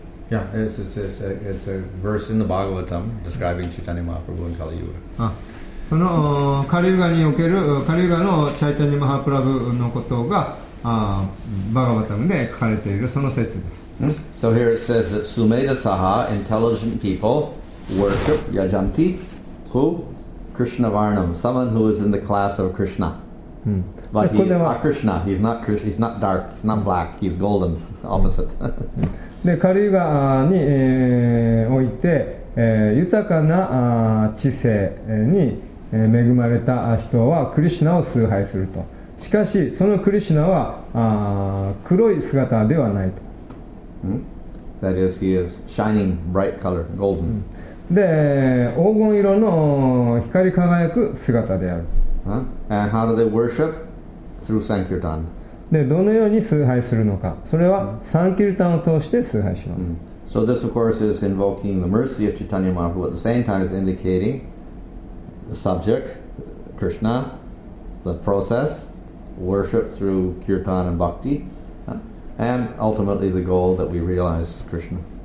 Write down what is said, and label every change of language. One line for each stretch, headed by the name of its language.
English: Yeah, it's a verse in the Bhagavatam describing Chaitanya Mahaprabhu and Kali Yuga.
Japanese: そのカリウガにおけるカリウガのチャイタニ・マハプラブのことがバガバタムで書かれているその説です。
English: So here it says that Sumedha Saha, intelligent people worship Yajanti, who? Krishna Varnam, someone who is in the class of Krishna. But he's not Krishna, he's not dark, he's not black, he's golden, opposite.
Japanese: で、カリウガに、において、豊かな知性に恵まれた人はクリシナを崇拝すると、しかしそのクリシナは黒い姿ではないと。
English: That is, he is shining bright color, golden.
Japanese: で、黄金色の光り輝く姿である。
English: And how do they worship? Through Sankirtan.
Japanese: で、どのように崇拝するのか、それはサンキルタンを通して崇拝します。
English: So this of course is invoking the mercy of Chaitanya Mahaprabhu, at the same time is indicating the subject, Krishna, the process, worship through kirtan and bhakti, and ultimately the goal that we realize Krishna.